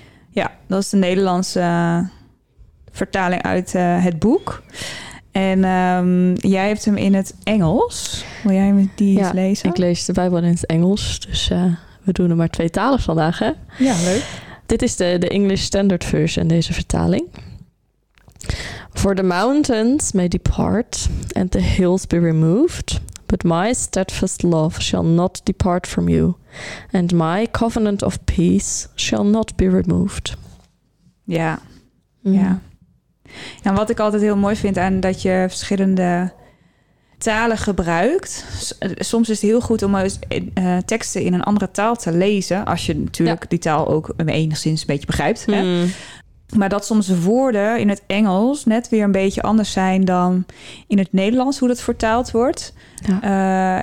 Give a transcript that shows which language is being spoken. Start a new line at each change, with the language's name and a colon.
Dutch: Ja, dat is de Nederlandse vertaling uit het boek. En jij hebt hem in het Engels. Wil jij die eens lezen? Ik lees de Bijbel in het Engels, dus... We doen er maar twee talen vandaag, hè? Ja, leuk. Dit is de English Standard Version, deze vertaling.
English: For the mountains may depart and the hills be removed, but my steadfast love shall not depart from you, and my covenant of peace shall not be removed.
Dutch: Ja. Ja. En wat ik altijd heel mooi vind aan dat je verschillende talen gebruikt. Soms is het heel goed om teksten in een andere taal te lezen. Als je natuurlijk die taal ook enigszins een beetje begrijpt. Hè? Maar dat soms de woorden in het Engels net weer een beetje anders zijn dan in het Nederlands, hoe dat vertaald wordt. Ja.